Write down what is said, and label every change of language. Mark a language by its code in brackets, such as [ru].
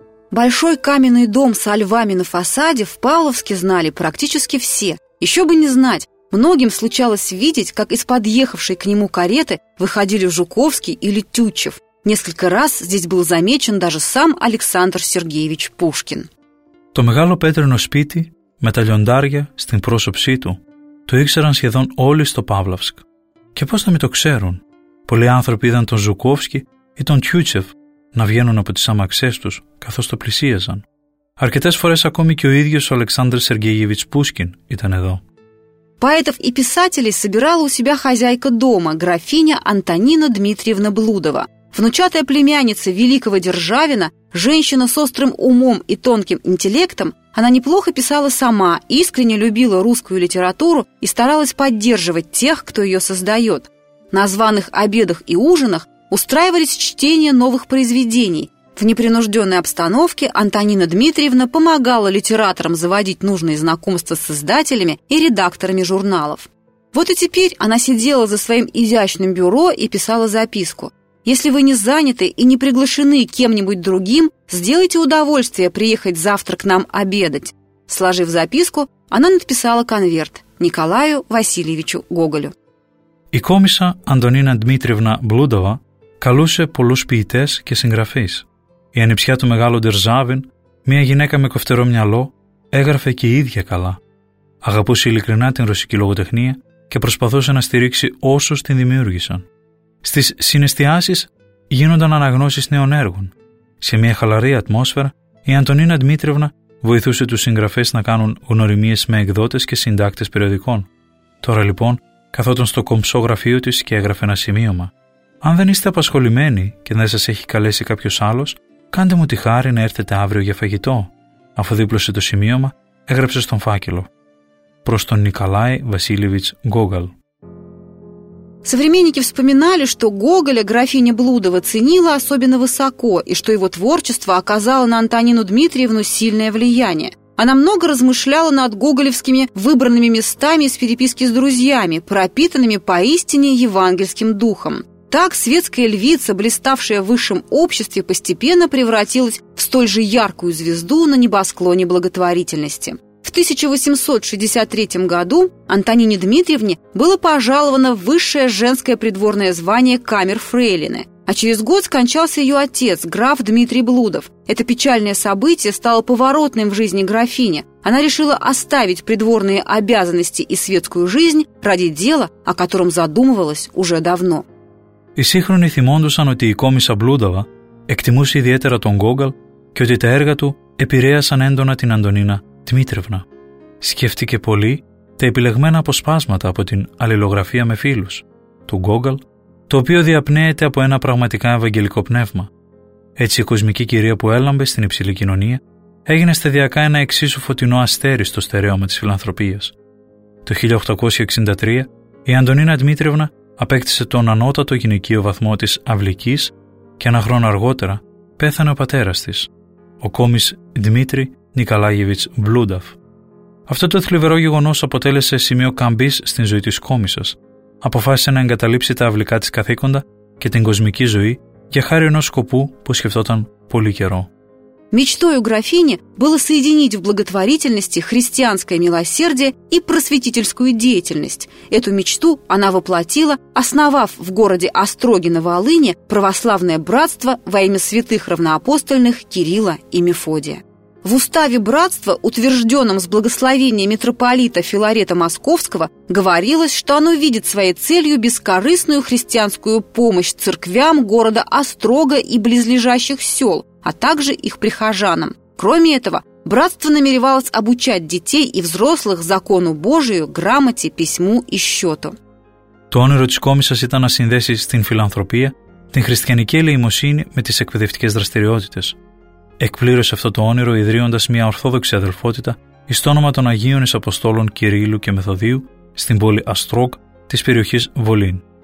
[ru] Большой каменный дом со львами на фасаде в Павловске знали практически все. Еще бы не знать, Многим случалось видеть, как из подъехавшей к нему кареты выходили Жуковский или Тютчев. Несколько раз здесь был замечен даже сам Александр Сергеевич Пушкин. [el] То мегало петрено спити με τα λιοντάρια στην πρόσωψή του το ήξεραν σχεδόν όλοι στο Παύλαυσκ. Και πώς να μην το ξέρουν. Πολλοί άνθρωποι είδαν τον Ζουκόφσκι ή τον Τιούτσεφ να βγαίνουν από τις άμαξές τους καθώς το πλησίαζαν. Αρκετές φορές ακόμη και ο ίδιος ο Αλεξάνδρ Σεργέγεβιτς Πούσκιν ήταν εδώ. [ru] Поэтов и писателей собирала у себя хозяйка дома, графиня Антонина Дмитриевна Блудова, внучатая племянница великого Державина, женщина с острым умом и тонким интеллектом. Она неплохо писала сама, искренне любила русскую литературу и старалась поддерживать тех, кто ее создает. На званых обедах и ужинах устраивались чтения новых произведений. В непринужденной обстановке Антонина Дмитриевна помогала литераторам заводить нужные знакомства с издателями и редакторами журналов. Вот и теперь она сидела за своим изящным бюро и писала записку. «Если вы не заняты и не приглашены кем-нибудь другим, сделайте удовольствие приехать завтра к нам обедать». Сложив записку, она написала конверт Николаю Васильевичу Гоголю. [el] И комиса Антонина Дмитриевна Блудова калуше полус ποιητές και συγγραφείς. Η ανιψιά του μεγάλου Державин, μια γυναίκα με κοφτερό μυαλό, έγραφε και η ίδια καλά. Αγαπούσε ειλικρινά την ρωσική λογοτεχνία και προσπαθούσε να στηρίξει όσους την δημιούργησαν. Στις συναισθιάσεις γίνονταν αναγνώσεις νέων έργων. Σε μια χαλαρή ατμόσφαιρα, η Αντωνίνα Δημήτρευνα βοηθούσε τους συγγραφείς να κάνουν γνωριμίες με εκδότες και συντάκτες περιοδικών. Τώρα λοιπόν, καθόταν στο κομψό γραφείο της και έγραφε ένα σημείωμα. Αν δεν είστε απασχολημένοι και δεν σας έχει καλέσει κάποιος άλλος, κάντε μου τη χάρη να έρθετε αύριο για φαγητό. Αφού δίπλωσε το σημείωμα, έγραψε στον φάκελο. Προς τον Νικολάη Βασίλεβιτς Γκόγκαλ. [ru] Современники вспоминали, что Гоголя графиня Блудова ценила особенно высоко и что его творчество оказало на Антонину Дмитриевну сильное влияние. Она много размышляла над гоголевскими выбранными местами из переписки с друзьями, пропитанными поистине евангельским духом. Так светская львица, блиставшая в высшем обществе, постепенно превратилась в столь же яркую звезду на небосклоне благотворительности. В 1863 году Антонине Дмитриевне было пожаловано высшее женское придворное звание камерфрейлины, а через год скончался ее отец, граф Дмитрий Блудов. Это печальное событие стало поворотным в жизни графини. Она решила оставить придворные обязанности и светскую жизнь ради дела, о котором задумывалась уже давно. [el] Οι σύγχρονοι θυμόντουσαν ότι η κόμισσα Μπλούδαβα εκτιμούσε ιδιαίτερα τον Γκόγκαλ και ότι τα έργα του επηρέασαν έντονα την Αντωνίνα Δημήτρευνα. Σκέφτηκε πολύ τα επιλεγμένα αποσπάσματα από την αλληλογραφία με φίλους του Γκόγκαλ, το οποίο διαπνέεται από ένα πραγματικά ευαγγελικό πνεύμα. Έτσι η κοσμική κυρία που έλαμπε στην υψηλή κοινωνία έγινε σταδιακά ένα εξίσου φωτεινό αστέρι στο στερέωμα της φιλανθρωπίας. Το 1863 η Αντωνίνα Δημήτρευνα απέκτησε τον ανώτατο γυναικείο βαθμό της αυλικής και ένα χρόνο αργότερα πέθανε ο πατέρας της, ο κόμις Δημήτρη Νικολάγεβιτς Μπλούνταφ. Αυτό το θλιβερό γεγονός αποτέλεσε σημείο καμπής στην ζωή της κόμισσας. Αποφάσισε να εγκαταλείψει τα αυλικά της καθήκοντα και την κοσμική ζωή για χάρη ενός σκοπού που σκεφτόταν πολύ καιρό. [ru] Мечтой у графини было соединить в благотворительности христианское милосердие и просветительскую деятельность. Эту мечту она воплотила, основав в городе Остроге на Волыни православное братство во имя святых равноапостольных Кирилла и Мефодия. В уставе братства, утвержденном с благословения митрополита Филарета Московского, говорилось, что оно видит своей целью бескорыстную христианскую помощь церквям города Острога и близлежащих сел, а также их прихожанам. Кроме этого, братство намеревалось обучать детей и взрослых закону Божию, грамоте, письму и счету. [el] То όνειρο της κόμισσας ήταν να συνδέσει στην φιλανθρωπία την χριστιανική ελεημοσύνη με τις εκπαιδευτικές δραστηριότητες. Εκπλήρωσε αυτό το όνειρο ιδρύοντας μια ορθόδοξη αδελφότητα εις το όνομα των Αγίων εις Αποστόλων Κυρίλου και Μεθοδίου στην πόλη Αστρόγ της περιοχής Βολίν.